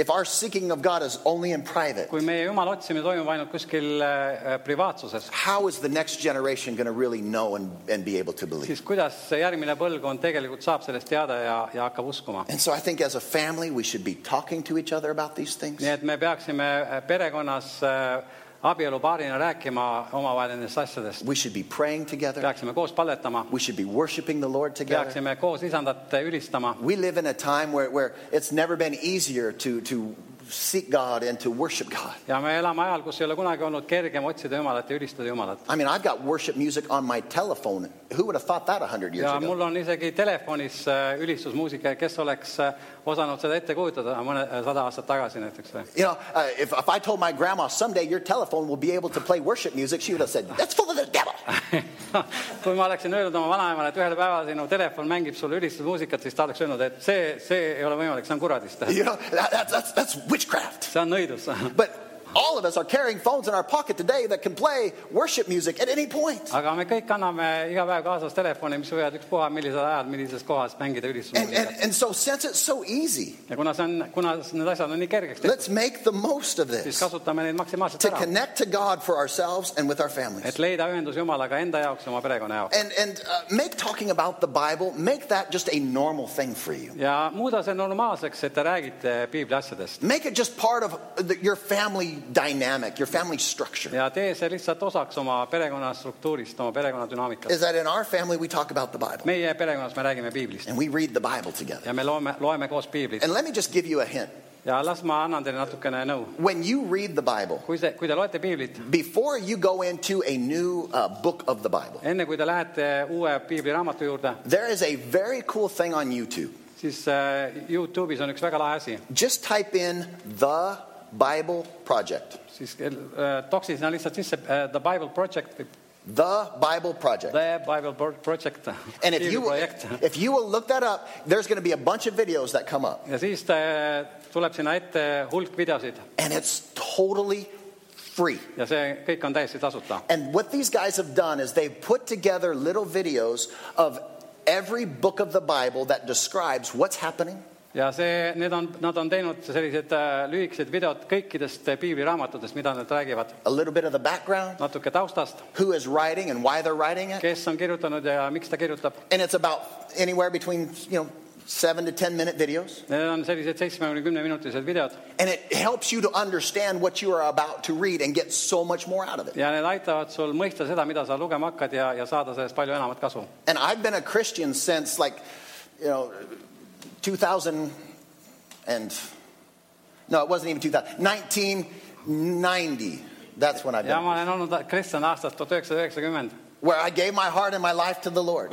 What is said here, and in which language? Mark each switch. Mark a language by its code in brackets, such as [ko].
[en] If our seeking of God is only in private. [et] Kui me Jumal otsime toimub ainult kuskil privaatsuses. [en] How is the next generation going to really know and be able to believe? [et] Siis kuidas järgmine põlvkond tegelikult saab sellest teada ja hakkab uskuma? [en] And so I think as a family we should be talking to each other about these things. [et] Nii et me peaksime perekonnas abielu paarina rääkima omavahel nendest asjadest. [en] We should be praying together. [et] Peaksime koos palvetama. [en] We should be worshiping the Lord together. [et] Peaksime koos isandat ülistama. [en] We live in a time where it's never been easier to seek God and to worship God. [et] Ja me elame ajal, kus ei ole kunagi olnud kergem otsida Jumalat ja ülistada Jumalat. [en] I mean, I've got worship music on my telephone. Who would have thought that 100 years [et] ja [en] ago? [et] Ja mul on isegi telefonis ülistusmuusika, kes oleks osanud seda ette kujutada mõne sada aastat tagasi näiteks. [en] You know, if I told my grandma someday your telephone will be able to play worship music, she would have said, that's full of the devil. [et] Kui ma oleksin öelnud oma vanaemale, et ühele päeval sinu telefon mängib sulle ülistusmuusikat, siis ta oleks öelnud, et see ei ole võimalik, see on kuradist. [en] You know, that's witchcraft. [et] See on nõidus. [en] But all of us are carrying phones in our pocket today that can play worship music at any point. [et] Aga me kõik kanname iga päev kaasas telefoni, mis võivad üks puha, millised ajad, millises kohas mängida ülistusmuusikat. [en] And so since it's so easy. [et] Ja kuna need asjad on nii kergeks. [en] Let's make the most of this. [et] Siis kasutame neid maksimaalselt ära. [en] To connect to God for ourselves and with our families. [et] Et leida ühendus Jumalaga enda jaoks oma perekonna jaoks. [en] And make talking about the Bible, make that just a normal thing for you. [et] Ja muuda see normaalseks, et te räägite Biibli asjadest. [en] Make it just part of your family dynamic, your family structure. [et] Ja tee see lihtsalt osaks oma perekonna struktuurist, oma perekonna dünaamikast. [en] Is that in our family we talk about the Bible. [et] Meie perekonnas me räägime Biiblist. [en] And we read the Bible together. [et] Ja me loeme koos Biiblit. [en] And let me just give you a hint. [et] Ja las ma annan teile natukene nõu. [en] When you read the Bible, [et] kui te loete Biiblit, [en] before you go into a new book of the Bible, [et] enne kui te lähete uue Biibli raamatu juurde, [en] there is a very cool thing on YouTube. [et] Siis YouTube'is on üks väga lahe asi. [en] Just type in the Bible Project. [et] Siis toksis on lihtsalt sisse The Bible Project. [en] The Bible Project. The Bible Project. And if you will look that up, there's going to be a bunch of videos that come up. [et] Ja siis tuleb sinna ette hulk videosid. [en] And it's totally free. [et] Ja see kõik on täiesti tasuta. [en] And what these guys have done is they've put together little videos of every book of the Bible that describes what's happening. [et] Ja see, need on, nad on teinud sellised lühikesed videod kõikidest piibli raamatudest, mida nad räägivad. [en] A little bit of the background. [et] Natuke taustast. [en] Who is writing and why they're writing it. [et] Kes on kirjutanud ja miks ta kirjutab. [en] And it's about anywhere between, you know, 7 to 10 minute videos. [et] Need on sellised 70-10 minutised videod. [en] And it helps you to understand what you are about to read and get so much more out of it. [et] Ja need aitavad sul mõista seda, mida sa lugema hakkad ja saada sellest palju enamat kasu. [en] And I've been a Christian since, like, you know, 2000 and no, it wasn't even 2000. 1990. That's when I did. [et] Ja ma olen olnud kristlane aastast 1990. [en] Where I gave my heart and my life to the Lord.